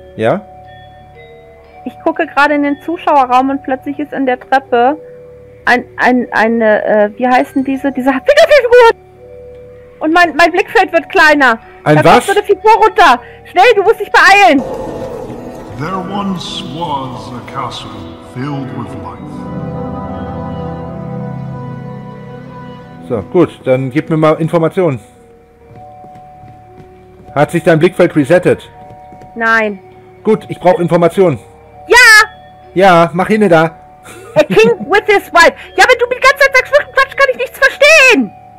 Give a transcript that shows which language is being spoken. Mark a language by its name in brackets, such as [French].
[German] Ja. Ich gucke gerade in den Zuschauerraum und plötzlich ist in der Treppe diese Figur! Und mein Blickfeld wird kleiner. Ein da Da kommt so eine Figur runter. Schnell, du musst dich beeilen! [English] There once was a castle filled with life. [German] So, gut, dann gib mir mal Informationen. Hat sich dein Blickfeld resettet? Nein. Gut, ich brauche Informationen. Ja! Ja, mach hin da. [English] A king with his wife. [German] Ja, wenn du mir die ganze Zeit sagst, Quatsch, kann ich nichts verstehen.